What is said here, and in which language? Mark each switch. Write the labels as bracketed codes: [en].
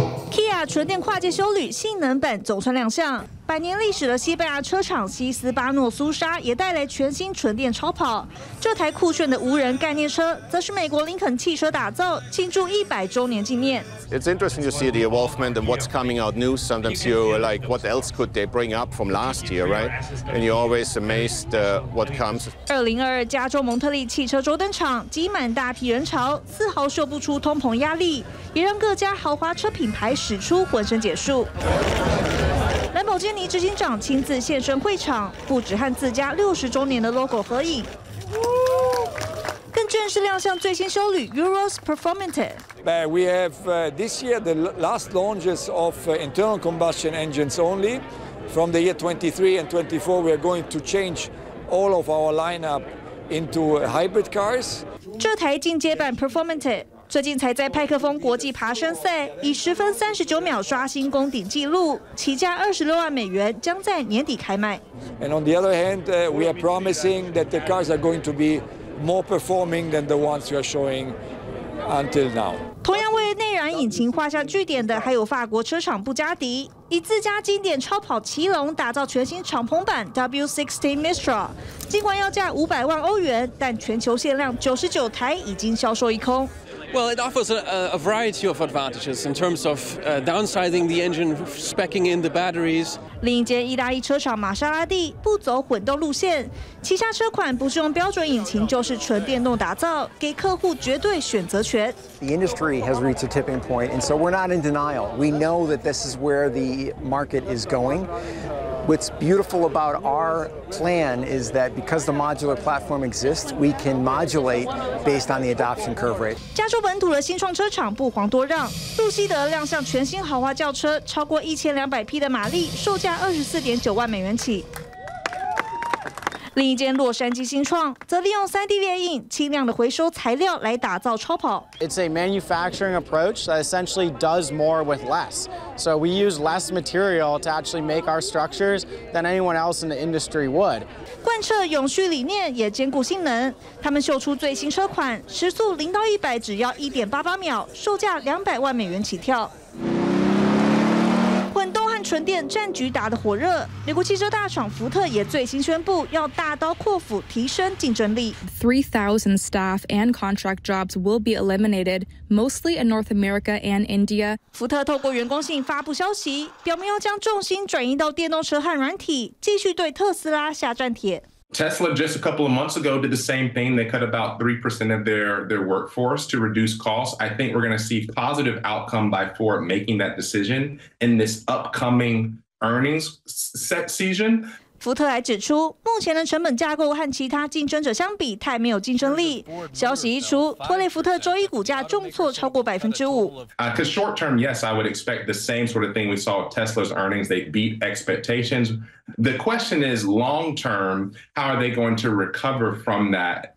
[zh] Kia 纯电跨界休旅性能版总算亮相，百年历史的西班牙车厂西斯巴诺苏沙也带来全新纯电超跑。这台酷炫的无人概念车，则是美国林肯汽车打造，庆祝100周年纪念。 [en] It's interesting to see the evolvement and what's coming out new. Sometimes you like, what else could they bring up from last year, right? And you're always amazed what comes. [zh] 2022加州蒙特利汽车周登场，挤满大批人潮，丝毫嗅不出通膨压力，也让各家豪华车品牌使出浑身解数。兰博基尼执行长亲自现身会场，不止和自家60周年的 logo 合影，更正式亮相最新休旅 Euros Performante。 [en] We have this year the last launches of internal combustion engines only. From the year 23 and 24, we are going to change all of our lineup into hybrid cars. [zh] 这台进阶版 Performante。最近才在派克峰国际爬山赛以10分39秒刷新攻顶纪录，起价$26万，将在年底开卖。 [en] And on the other hand, we are promising that the cars are going to be more performing than the ones we are showing until now. [zh] 同样为内燃引擎画下句点的，还有法国车厂布加迪，以自家经典超跑骑龙打造全新敞篷版 W16 Mistral。尽管要价500万欧元，但全球限量99台已经销售一空。 [en] Well, it offers a variety of advantages in terms of downsizing the engine, specking in the batteries. [zh] 另一间意大利车厂玛莎拉蒂不走混动路线，旗下车款不是用标准引擎，就是纯电动打造，给客户绝对选择权。 [en] The industry has reached a tipping point, and so we're not in denial. We know that this is where the market is going. What's beautiful about our plan is that because the modular platform exists, we can modulate based on the adoption curve rate. [zh] 加州本土的新创车厂不遑多让，路西德亮相全新豪华轿车，超过1200匹的马力，售价$249万起。另一间洛杉矶新创则利用 3D 列印轻量的回收材料来打造超跑。 [en] It's a manufacturing approach that essentially does more with less. So we use less material to actually make our structures than anyone else in the industry would. [zh] 贯彻永续理念，也兼顾性能。他们秀出最新车款，时速0到100只要1.88秒，售价$200万起跳。混动和纯电战局打得火热，美国汽车大厂福特也最新宣布要大刀阔斧提升竞争力。 [en] 3,000 staff and contract jobs will be eliminated, mostly in North America and India. [zh] 福特透过员工信发布消息，表明要将重心转移到电动车和软体，继续对特斯拉下战帖。 [en] Tesla just a couple of months ago did the same thing. They cut about 3% of their workforce to reduce costs. I think we're going to see positive outcome by Ford making that decision in this upcoming earnings season. [zh] 福特还指出，目前的成本架构和其他竞争者相比太没有竞争力。消息一出，拖累福特周一股价重挫超过5%。 [en] Because short term, yes, I would expect the same sort of thing we saw with Tesla's earnings. They beat expectations. The question is long term, how are they going to recover from that?